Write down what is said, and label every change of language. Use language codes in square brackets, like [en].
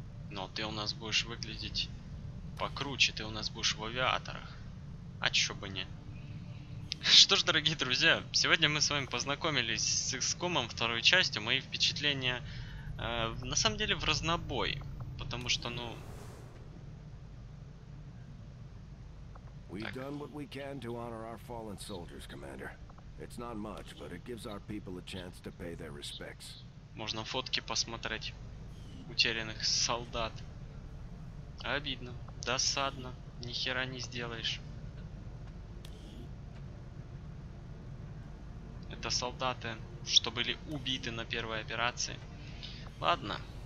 [ru] Но ты у нас будешь выглядеть покруче, ты у нас будешь в авиаторах. А чё бы не. Что ж, дорогие друзья, сегодня мы с вами познакомились с XCOM-ом второй частью. Мои впечатления, на самом деле, в разнобой. Потому что, ну... [en] We've done what we can to honor our fallen soldiers, Commander. It's not much, but it gives our people a chance to pay their respects. [ru] Можно фотки посмотреть. Утерянных солдат. Обидно, досадно, ни хера не сделаешь. Это солдаты, что были убиты на первой операции. Ладно.